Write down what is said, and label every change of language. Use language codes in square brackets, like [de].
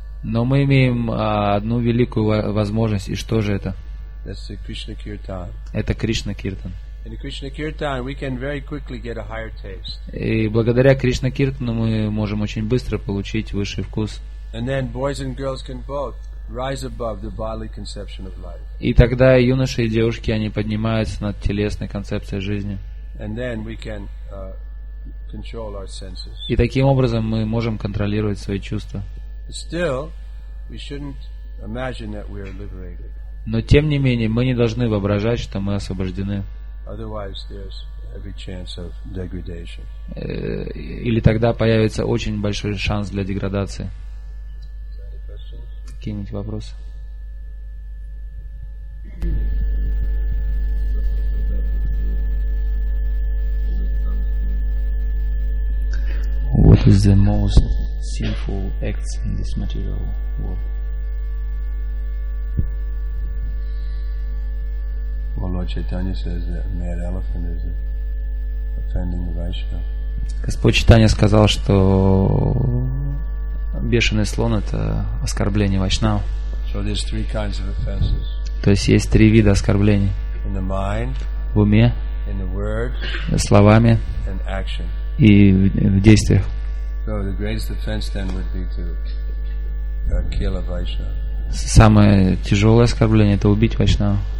[ru] Но мы имеем одну великую возможность. И что же это? [en] That's the Krishna Kirtan. [ru] Это Кришна Киртан. [en] In Krishna Kirtan, we can very quickly get a higher taste. [ru] И благодаря Кришна Киртану мы можем очень быстро получить высший вкус. [en] And then boys and girls can both rise above the bodily conception of life. [ru] И тогда юноши и девушки они поднимаются над телесной концепцией жизни. [en] And then we can control our senses. [ru] И таким образом мы можем контролировать свои чувства. [en] Still, we shouldn't imagine that we are liberated. [ru] Но тем не менее мы не должны воображать, что мы освобождены. [en] Otherwise, there's every chance of degradation. [ru] Или тогда появится очень большой шанс для деградации. Какие-нибудь вопросы? [en] What is the most sinful act in this material world? Well, Lord Chaitanya says that a mad elephant is offending the Vaishnava. [ru] Господь Чайтанья сказал, что бешеный слон — это оскорбление вайшнав. [en] So there's three kinds of offenses. [ru] То есть есть три вида оскорблений. [en] In the mind, [ru] в уме, [en] in the word, [ru] словами, [en] and action. [ru] И в действиях. [en] So the greatest offense then would be to kill a vaishnava. [ru] Самое тяжелое оскорбление — это убить вайшнава.